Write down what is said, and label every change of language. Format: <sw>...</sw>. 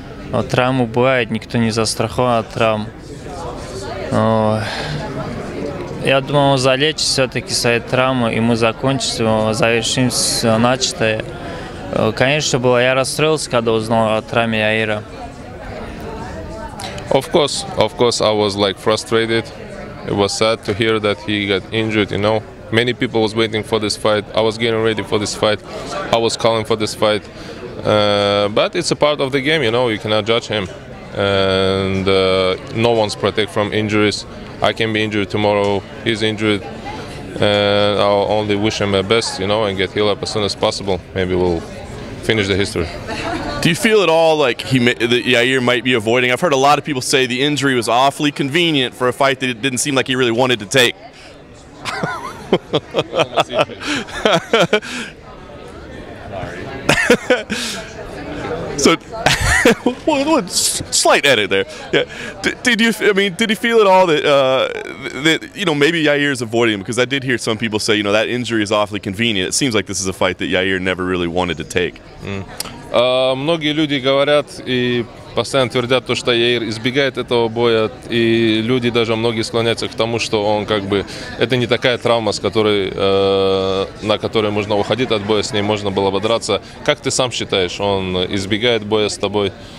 <ru>Но травмы бывают, никто не застрахован от травм. Но я думал, залечить все-таки свои травмы, и мы закончим, завершим все начатое. Конечно, было. Я расстроился, когда узнал о травме Яира.</ru> <en>Of course, I was like frustrated. It was sad to hear that he got injured. You know, many people was waiting for this fight. I was getting ready for this fight. I was calling for this fight. But it's a part of the game. You know, you cannot judge him, and no one's protected from injuries. I can be injured tomorrow. He's injured. And I'll only wish him the best, you know, and get healed up as soon as possible. Maybe we'll finish the history. Do you feel at all like that Yair might be avoiding? I've heard a lot of people say the injury was awfully convenient for a fight that it didn't seem like he really wanted to take. So, slight edit there. Yeah, did he feel at all that you know, maybe Yair is avoiding him? Because I did hear some people say, you know, that injury is awfully convenient. It seems like this is a fight that Yair never really wanted to take.</en> <ru>Многие люди говорят и постоянно твердят то, что Яир избегает этого боя, и люди даже многие склоняются к тому, что он как бы это не такая травма, с которой на которой можно уходить от боя, с ней можно было бы драться. Как ты сам считаешь, он избегает боя с тобой?</ru>